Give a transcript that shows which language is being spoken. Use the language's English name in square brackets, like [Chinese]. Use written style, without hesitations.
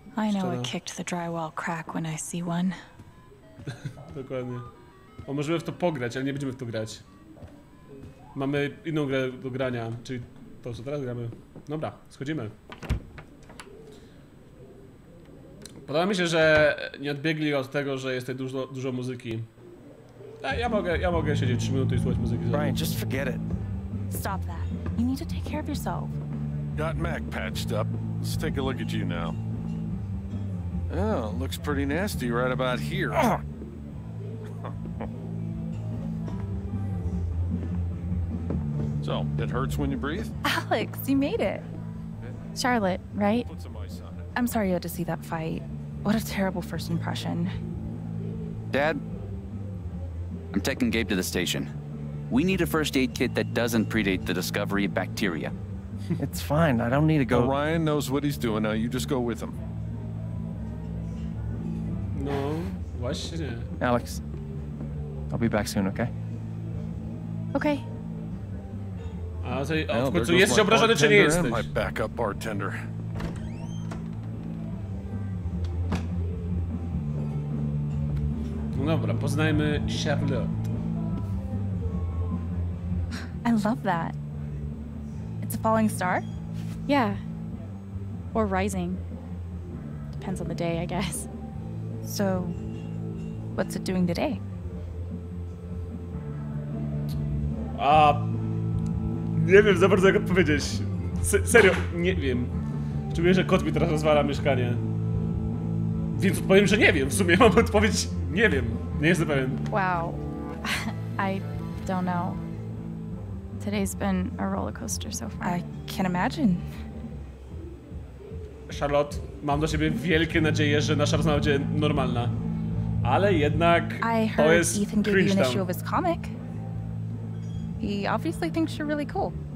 [English] I know it kicked the drywall crack when I see one. [Polish] Dokładnie. O, możemy w to pograć, ale nie będziemy w to grać. Mamy inną grę do grania, czyli to, co teraz gramy. Dobra, schodzimy. Podoba mi się, że nie odbiegli od tego, że jest tutaj dużo muzyki. Ja mogę siedzieć 3 minuty i słuchać muzyki. [English] Brian, just forget it. Stop that. You need to take care of yourself. Got Mac patched up. Let's take a look at you now. Oh, looks pretty nasty right about here. So, it hurts when you breathe? Alex, you made it. Charlotte, right? I'm sorry you had to see that fight. What a terrible first impression. Dad, I'm taking Gabe to the station. We need a first aid kit that doesn't predate the discovery of bacteria. It's fine. I don't need to go. Well, Ryan knows what he's doing now. You just go with him. No, why should I? Alex, I'll be back soon, okay? Okay. [Polish] W końcu jesteś obrażony, czy nie jesteś? [English] And my backup bartender. [Polish] No dobra, poznajmy Charlotte. [English] I love that. It's a falling star? Yeah. Or rising. Depends on the day, I guess. So, what's it doing today? [Polish] Nie wiem za bardzo, jak odpowiedzieć. Serio, nie wiem. Czuję, że kot mi teraz rozwala mieszkanie. Więc powiem, że nie wiem. W sumie mam odpowiedź, nie wiem. Nie jestem pewien. [English] Wow. I don't know. Today's been a roller coaster so far. I can't imagine. [Polish] Charlotte, mam do ciebie wielkie nadzieje, że nasza rozmowa będzie normalna. Ale jednak to jest [English] Ethan gave you an issue of his comic. He obviously thinks you're really cool.